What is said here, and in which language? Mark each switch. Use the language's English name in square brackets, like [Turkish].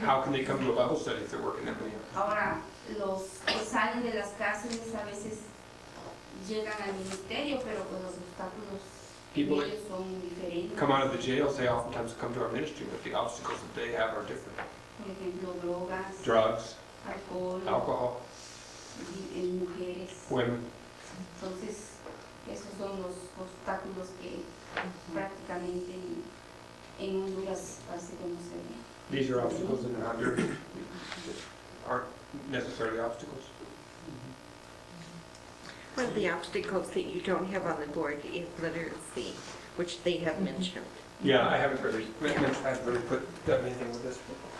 [English] how can they come to a Bible study if they're working at home? [Spanish] Ahora, los que salen de las cárceles a veces llegan al ministerio, pero pues los obstáculos [English] people [Spanish] ellos son diferentes. [English] Come out of the jails, they oftentimes come to our ministry, but the obstacles that they have are different. [Spanish] Por ejemplo, drogas. [English] Drugs. [Spanish] Alcohol. En mujeres. [English] Women. [Spanish] Entonces, esos son los obstáculos que prácticamente en Honduras hace conocer. [English] These are obstacles in Honduras that aren't necessarily obstacles. Well, the obstacles that you don't have on the board is literacy, which they have mentioned. Yeah, I haven't really put that anything with this book.